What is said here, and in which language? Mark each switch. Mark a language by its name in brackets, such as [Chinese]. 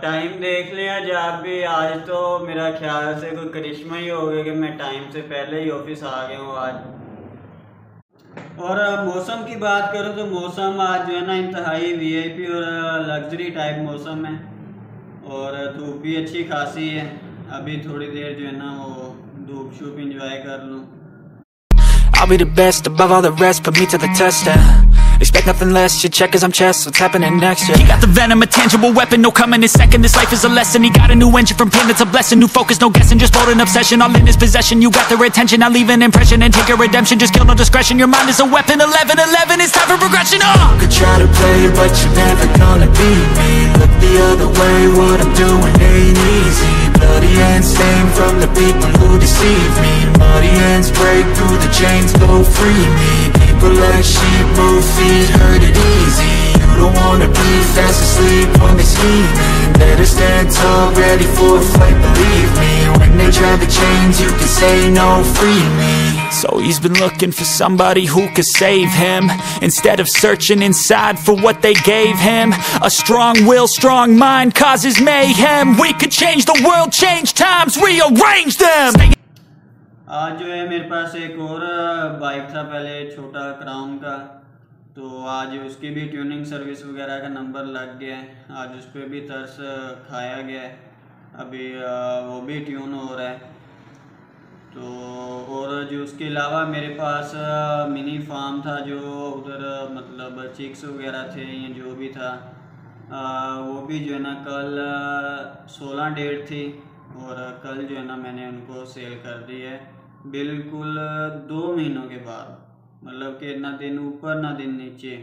[Hindi] Time देख लिया जा भी, आज तो मेरा ख्याल से कोई करिश्मा ही हो गया कि मैं टाइम से पहले ही ऑफिस आ गया हूँ आज। और मौसम की बात करूँ तो मौसम आज जो है ना इंतहाई VIP और लग्जरी टाइप मौसम है, और धूप भी अच्छी खासी है। अभी थोड़ी देर जो है ना वो धूप छूप इंजॉय कर लूँ। [English] I'll be the best above all the rest, put me to the test, yeah. Expect nothing less, you check as I'm chess, what's happening next, yeah. He got the venom, a tangible weapon, no coming in second, this life is a lesson. He got a new engine from pain, it's a blessing, new focus, no guessing, just bold and obsession, all in his possession. You got the retention, I'll leave an impression and take a redemption, just kill no discretion. Your mind is a weapon, 11-11, it's time for progression, oh! You could try to play it, but you're never gonna beat me. Look the other way, what I'm doing ain't easy. Bloody hands stained from the people who deceive me. Muddy hands break through the chains, go free me. People like sheep, move feet, hurt it easy. You don't wanna be fast asleep when they're scheming. Better stand tall, ready for a fight, believe me. When they drag the chains, you can say no, free me. So he's been looking for somebody who could save him, instead of searching inside for what they gave him. A strong will, strong mind causes mayhem. We could change the world, change times, rearrange them. [Hindi] आज जो है मेरे पास एक और bike था पहले छोटा crown का, तो आज उसकी भी ट्यूनिंग सर्विस वगैरह का नंबर लग गया है। आज उस पर भी तरस खाया गया है, अभी वो भी ट्यून हो रहा है। तो और जो उसके अलावा मेरे पास मिनी फार्म था, जो उधर मतलब चिक्स वगैरह थे या जो भी था, वो भी जो है ना कल 16 डेट थी और कल जो है ना मैंने उनको सेल कर दी है बिल्कुल 2 महीनों के बाद, मतलब कि ना दिन ऊपर ना दिन नीचे।